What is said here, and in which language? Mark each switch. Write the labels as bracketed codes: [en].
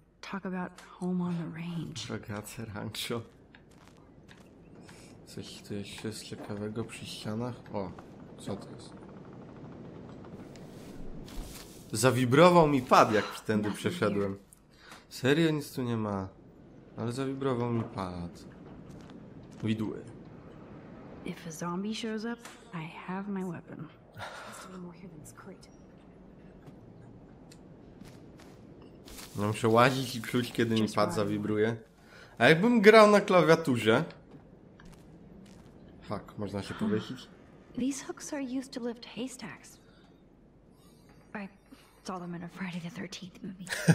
[en] Talk about home on the range. [pl] Rogace Rancho. Coś tu jeszcze z ciekawego przy ścianach? O, co to jest? Zawibrował mi pad, jak wtedy przeszedłem. Serio, nic tu nie ma. Ale zawibrował mi pad. Widły. [en] If a zombie shows up, I have my weapon. Has to be more here than this crate. [pl] No, muszę łazić i kluć, kiedy mi pad zawibruje. A jakbym grał na klawiaturze? Fuck, można się powiesić. [en] These hooks are used to lift haystacks. I saw them in a Friday the 13th movie.